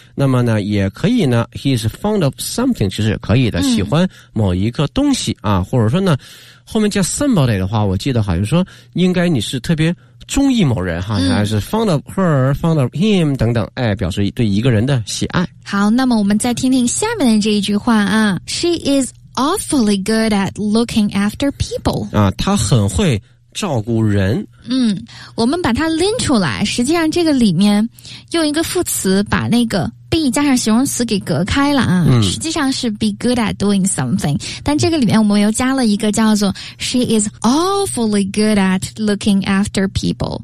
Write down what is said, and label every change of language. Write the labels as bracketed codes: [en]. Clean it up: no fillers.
[zh] 那么呢，也可以呢 [en] he is fond of something [zh] 其实也可以的，喜欢某一个东西啊，或者说呢，后面加 somebody 的话，我记得好像说应该你是特别中意某人哈，还是 [en] fond of her, fond of him [zh] 等等，哎，表示对一个人的喜爱。好，那么我们再听听下面的这一句话啊。 [en] She is awfully good at looking after people. [zh] 啊，她很会照顾人。嗯，我们把它拎出来，实际上这个里面用一个副词把那个 be 加上形容词给隔开了啊。嗯，实际上是 [en] be good at doing something, [zh] 但这个里面我们又加了一个叫做 [en] she is awfully good at looking after people。